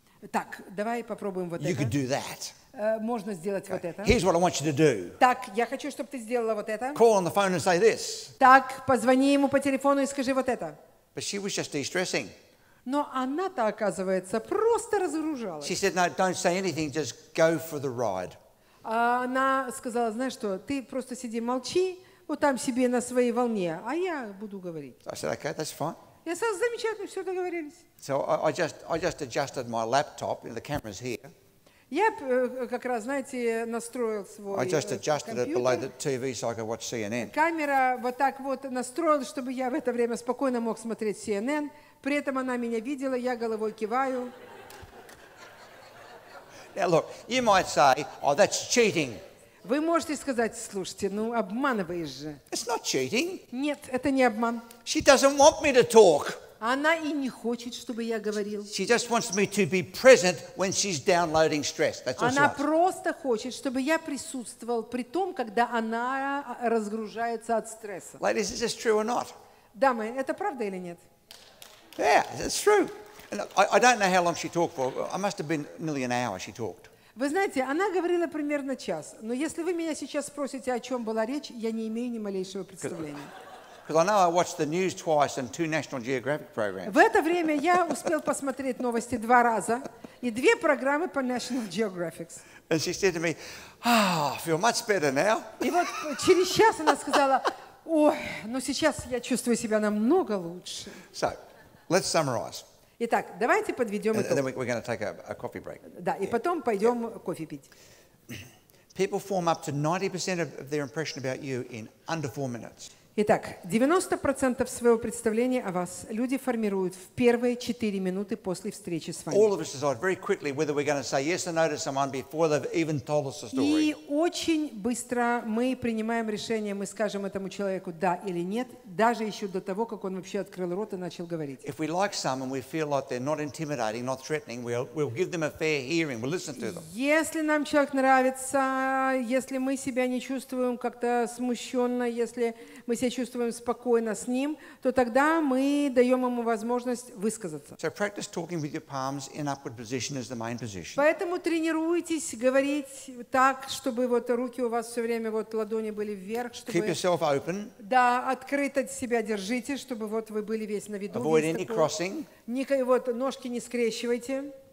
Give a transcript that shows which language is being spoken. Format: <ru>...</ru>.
<ru>Так, давай попробуем вот это.</ru> <en>You could do that.</en> <ru>Можно сделать вот это.</ru> <en>Here's what I want you to do.</en> <ru>Так, я хочу, чтобы ты сделала вот это.</ru> <en>Call on the phone and say this.</en> <ru>Так, позвони ему по телефону и скажи вот это.</ru> <en>But she was just de-stressing.</en> <ru>Но она-то, оказывается, просто разоружалась.</ru> <en>She said, no, don't say anything, just go for the ride.</en> <ru>А она сказала, знаешь что, ты просто сиди, молчи, вот там себе на своей волне, а я буду говорить.</ru> <en>I said, okay, that's fine.</en> <ru>Я сказала, замечательно, все договорились.</ru> <en>So I just adjusted my laptop, and the camera's here.</en> <ru>Я как раз, знаете, настроил свой компьютер. Камера вот так вот настроил, чтобы я в это время спокойно мог смотреть CNN. При этом она меня видела, я головой киваю.</ru> <en>Now look, you might say, oh, that's cheating.</en> <ru>Вы можете сказать, слушайте, ну обманываешь же.</ru> <en>It's not cheating.</en> <ru>Нет, это не обман.</ru> <en>She doesn't want me to talk.</en> <ru>Она и не хочет, чтобы я говорил.</ru> <en>She just wants me to be present when she's downloading stress. That's all.</en> <ru>Она просто хочет, чтобы я присутствовал при том, когда она разгружается от стресса.</ru> <en>Ladies, is this true or not?</en> <ru>Дамы, это правда или нет?</ru> <en>Yeah, it's true. And I don't know how long she talked for. I must have been nearly an hour she talked.</en> <ru>Вы знаете, она говорила примерно час. Но если вы меня сейчас спросите, о чем была речь, я не имею ни малейшего представления.</ru> <en>Because I know I watched the news twice and two National Geographic programs.</en> <ru>В это время я успел посмотреть новости два раза и две программы по National Geographic.</ru> <en>And she said to me, "Ah, oh, I feel much better now."</en> <ru>И вот через час она сказала, "Ой, но сейчас я чувствую себя намного лучше."</ru> <en>So, let's summarize.</en> <ru>Итак, давайте подведем итог.</ru> <en>And then we're going to take a coffee break.</en> <ru>Да, и потом пойдем кофе пить.</ru> <en>People form up to 90% of their impression about you in under 4 minutes.</en> <ru>Итак, 90% своего представления о вас люди формируют в первые 4 минуты после встречи с вами.</ru> <en>All of us decide very quickly whether we're going to say yes or no to someone before they've even told us a story.</en> <ru>И очень быстро мы принимаем решение, мы скажем этому человеку да или нет, даже еще до того, как он вообще открыл рот и начал говорить.</ru> <en>If we like someone, we feel like they're not intimidating, not threatening, we'll give them a fair hearing, we'll listen to them.</en> <ru>Если нам человек нравится, если мы себя не чувствуем как-то смущенно, если мы себя чувствуем спокойно с ним, то тогда мы даем ему возможность высказаться.</ru> <en>So practice talking with your palms in upward position as the main position.</en> <ru>Поэтому тренируйтесь говорить так, чтобы вот руки у вас все время вот ладони были вверх, чтобы.</ru> <en>Keep yourself open.</en> <ru>Да, открыто себя держите, чтобы вот вы были весь на виду.</ru> <en>Avoid any crossing.</en> <ru>Вот ножки не скрещивайте.</ru>